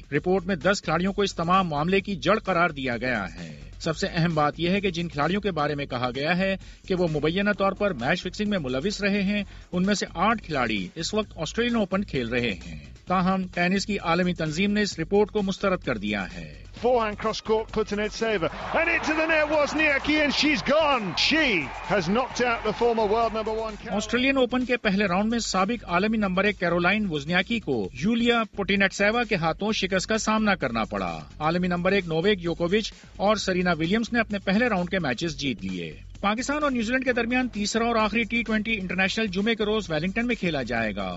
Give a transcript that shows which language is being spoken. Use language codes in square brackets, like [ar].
[ur] Report میں 10 کھلاڑیوں کو اس تمام معاملے کی جڑ قرار دیا گیا ہے. سب سے اہم بات یہ ہے کہ جن کھلاڑیوں کے بارے میں کہا گیا ہے کہ وہ مبینہ طور پر میچ فکسنگ میں ملوث رہے ہیں ان میں سے 8 کھلاڑی اس وقت آسٹریلین اوپن کھیل رہے ہیں. تاہم ٹینس کی عالمی تنظیم نے اس رپورٹ کو مسترد کر دیا ہے. [en] Forehand cross court puts an net saver and into the net was Niaki and she's gone. She has knocked out the former world number 1. [ur] Australian open کے پہلے راؤنڈ میں سابق عالمی نمبر 1 کیرولائن وزنیاکی کو یولیا پوٹینٹسیوا کے ہاتھوں شکست کا سامنا کرنا پڑا. عالمی نمبر 1 نوویک جوکووچ اور سرینا ولیمز نے اپنے پہلے راؤنڈ کے میچز جیت لیے. پاکستان اور نیوزی لینڈ کے درمیان تیسرا اور آخری T20 انٹرنیشنل جمعے کے روز ویلنگٹن میں کھیلا جائے گا.